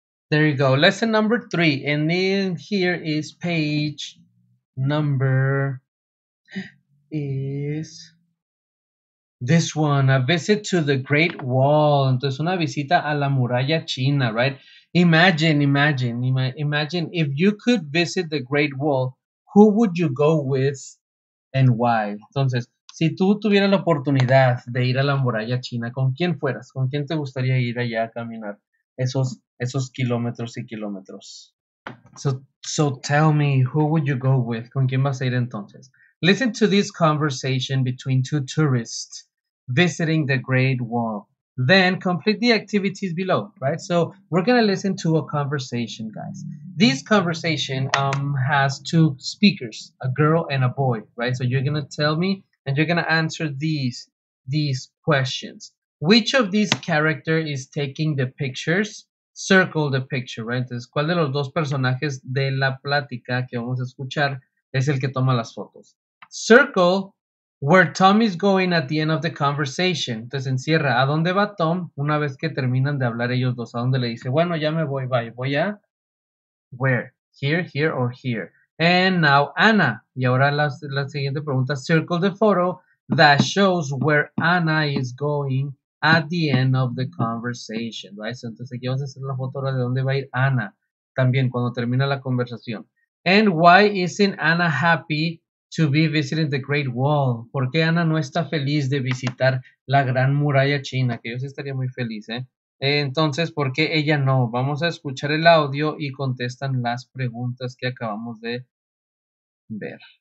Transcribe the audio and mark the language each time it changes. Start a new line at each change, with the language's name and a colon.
English: There you go. Lesson number three. And then here is page number is. This one, a visit to the Great Wall.
Spanish: Entonces, una visita a la muralla china,
English: right? Imagine if you could visit the Great Wall, who would you go with and why?
Spanish: Entonces, si tú tuvieras la oportunidad de ir a la muralla china, ¿con quién fueras? ¿Con quién te gustaría ir allá a caminar esos kilómetros y kilómetros?
English: So tell me, who would you go with?
Spanish: ¿Con quién vas a ir entonces?
English: Listen to this conversation between two tourists visiting the Great Wall. Then complete the activities below, right? So we're gonna listen to a conversation, guys. This conversation has two speakers, a girl and a boy, right? So you're gonna tell me and you're gonna answer these questions. Which of these character is taking the pictures? Circle the picture, right?
Spanish: Entonces, ¿cuál de los dos personajes de la plática que vamos a escuchar es el que toma las fotos?
English: Circle where Tom is going at the end of the conversation.
Spanish: Entonces encierra, ¿a dónde va Tom una vez que terminan de hablar ellos dos? ¿A dónde le dice? Bueno, ya me voy, bye. Voy a.
English: Where? Here, here, or here. And now Anna.
Spanish: Y ahora la siguiente pregunta.
English: Circle the photo that shows where Anna is going at the end of the conversation. Right?
Spanish: Entonces aquí vamos a hacer la foto ahora de dónde va a ir Anna. También cuando termina la conversación.
English: And why isn't Anna happy to be visiting the Great Wall?
Spanish: ¿Por qué Ana no está feliz de visitar la Gran Muralla China? Que yo sí estaría muy feliz, ¿eh? Entonces, ¿por qué ella no? Vamos a escuchar el audio y contestan las preguntas que acabamos de ver.